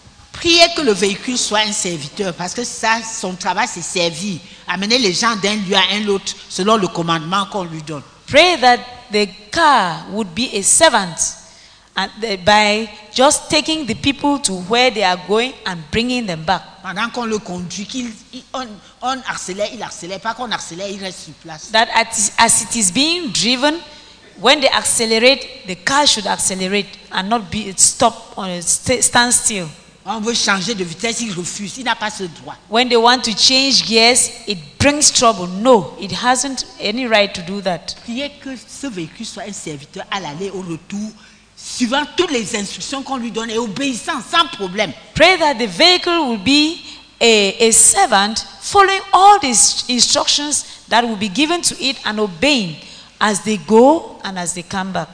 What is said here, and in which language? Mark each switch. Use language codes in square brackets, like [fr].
[fr] Priez que le véhicule soit un serviteur, parce que ça, son travail, c'est servir, amener les gens d'un lieu à un autre selon le commandement qu'on lui donne. [en] Pray that the car would be a servant, and by just taking the people to where they are going and bringing them back. [fr] Pendant qu'on le conduit, qu'on accélère, il accélère, pas qu'on accélère, il reste sur place. [en] That as it is being driven, when they accelerate, the car should accelerate and not be stop or stand still. [fr] On veut changer de vitesse, il refuse, il n'a pas ce droit. [en] When they want to change gears, it brings trouble. No, it hasn't any right to do that. [fr] Priez que ce véhicule soit un serviteur à l'aller au retour, suivant toutes les instructions qu'on lui donne et obéissant sans problème. [en] Pray that the vehicle will be a servant, following all these instructions that will be given to it and obeying as they go and as they come back.